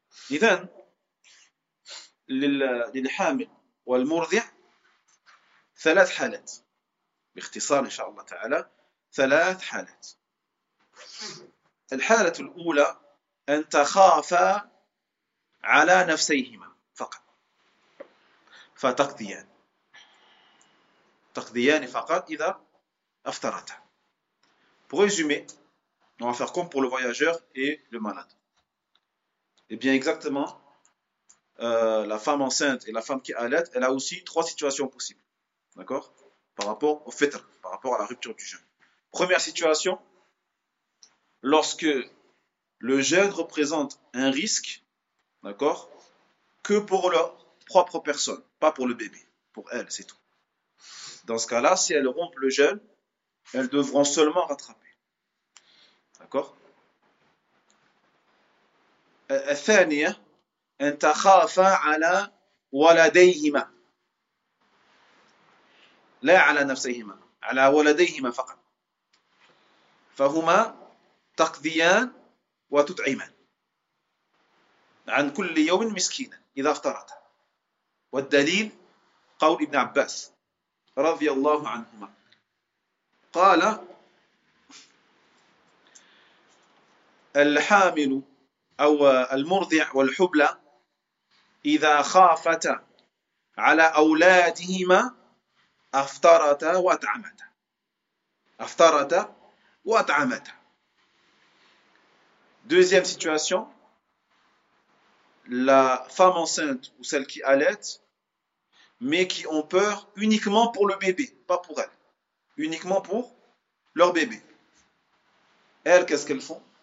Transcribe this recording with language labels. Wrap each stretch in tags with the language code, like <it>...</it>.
<ar>Donc, للحامل والمرضع ثلاث حالات باختصار إن شاء الله تعالى ثلاث حالات. الحالة الأولى أن تخافا على نفسيهما فقط فتقضيان فقط إذا أفطرتا.</ar> <fr>Pour résumer, on va faire comme pour le voyageur et le malade. Et bien exactement, la femme enceinte et la femme qui allait, elle a aussi trois situations possibles. D'accord? Par rapport au fitr, par rapport à la rupture du jeûne. Première situation, lorsque le jeûne représente un risque, d'accord? Que pour leur propre personne, pas pour le bébé, pour elle, c'est tout. Dans ce cas-là, si elles rompent le jeûne, elles devront seulement rattraper. D'accord?</fr> <ar>Thaniya, أن تخاف على ولديهما لا على نفسيهما على ولديهما فقط فهما تقضيان وتطعمان عن كل يوم مسكينا إذا افترضا والدليل قول ابن عباس رضي الله عنهما قال الحامل أو المرضع والحبلى إذا خافتا على أولادهما أفطرتا وأطعمتا أفطرتا وأطعمتا.</ar> <fr>Deuxième situation, la femme enceinte ou celle qui allait, mais qui ont peur uniquement pour le bébé, pas pour elle, uniquement pour leur bébé. Elles, qu'est-ce qu'elles font?</fr>